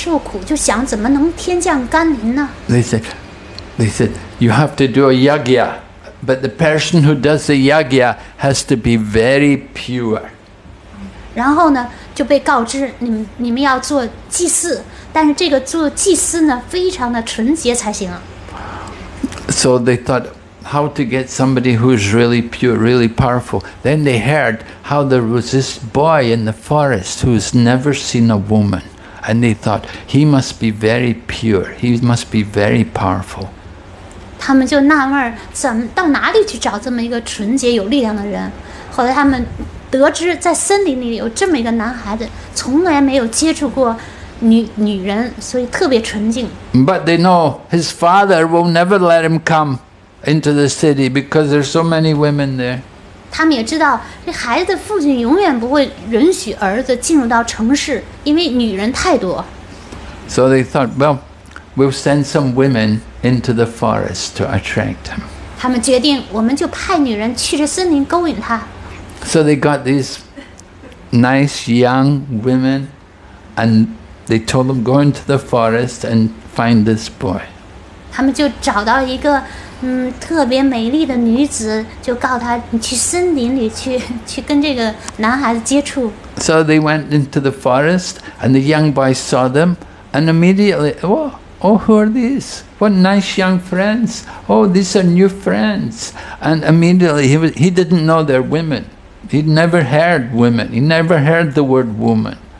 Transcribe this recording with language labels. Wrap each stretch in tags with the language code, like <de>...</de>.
<zh>结果呢，这个片国土呢就遭受了严重的旱灾，人们就因此而受苦，就想怎么能天降甘霖呢？</zh> <en>They said, you have to do a yagya, but the person who does the yagya has to be very pure.</en> <zh>然后呢，就被告知你们要做祭司，但是这个做祭司呢，非常的纯洁才行。</zh> <en>So they thought, how to get somebody who is really pure, really powerful. Then they heard how there was this boy in the forest who has never seen a woman. And they thought, he must be very pure. He must be very powerful.</en> <zh>他们就纳闷，到哪里去找这么一个纯洁有力量的人。后来他们得知在森林里有这么一个男孩子，从来没有接触过女人，所以特别纯净。</zh> <en>But they know his father will never let him come into the city because there's so many women there.</en> <zh>他们也知道这孩子父亲永远不会允许儿子进入到城市，因为女人太多。</zh> <en>So they thought, well, we'll send some women into the forest to attract him.</en> <zh>他们决定我们就派女人去这森林勾引他。</zh> <en>So they got these nice young women and they told them, go into the forest and find this boy.</en> <zh>他们就找到一个特别美丽的女子，就告诉她，你去森林里去跟这个男孩子接触。</zh> <en>So they went into the forest and the young boy saw them and immediately, who are these? What nice young friends. Oh, these are new friends. And immediately he didn't know they're women. He'd never heard women. He never heard the word woman.</en>